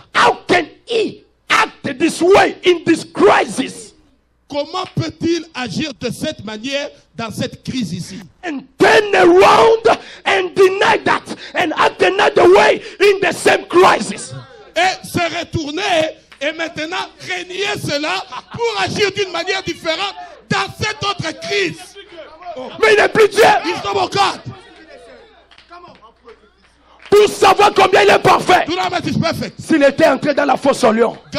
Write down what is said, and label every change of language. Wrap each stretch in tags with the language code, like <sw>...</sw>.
<en>how can he act this way in this crisis?</en> <fr>Comment peut-il agir de cette manière dans cette crise ici?</fr> <en>And turn around and deny that and act another way in the same crisis.</en> <fr>Et se retourner et maintenant renier cela pour agir d'une manière différente dans cette autre crise. Mais il n'est plus Dieu.</fr> <en>He's no more God.</en> <fr>Pour savoir combien il est parfait. S'il était entré dans la fosse au lion.</fr>